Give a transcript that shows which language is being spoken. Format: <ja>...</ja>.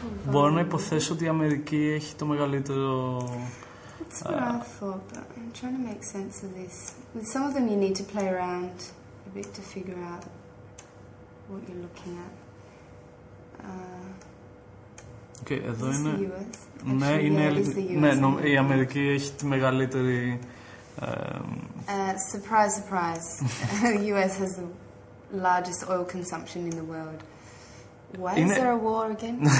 <el>Μπορώ να υποθέσω ότι η Αμερική έχει το μεγαλύτερο...</el> <en>That's what I thought, but I'm trying to make sense of this. With some of them you need to play around a bit to figure out what you're looking at.</en> <el>Okay, εδώ</el> <en>is</en> <el>είναι...</el> <en>The US?</en> <el>Ναι,</el> <en>actually,</en> <el>είναι...</el> <en>Yeah, is the US?</en> <el>Ναι, η Αμερική έχει τη μεγαλύτερη...</el> <en>Surprise, surprise. The US has the largest oil consumption in the world. Why is there a war again?</en>